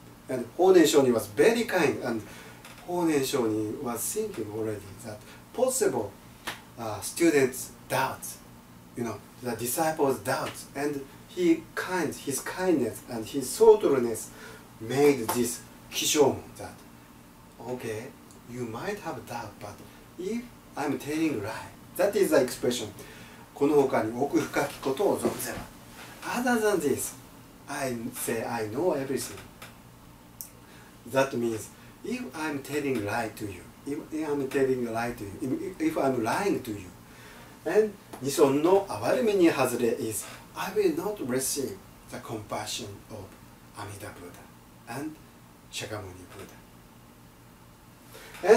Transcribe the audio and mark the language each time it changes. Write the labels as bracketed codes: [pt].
[en] And Honen Shonin was very kind, and Honen Shonin was thinking already that possible students doubt, you know, the disciples doubt, and his kindness and his thoughtfulness made this Kishomon that, okay, you might have doubt, but if I'm telling lie, that is the expression. [ja] この他に奥深きことを存ぜば。 [en] Other than this, I say I know everything. That means, if I'm telling lie to you, if I'm lying to you, and [ja] 二尊の憐れみに外れ [en] is, I will not receive the compassion of Amida Buddha and Shakyamuni Buddha.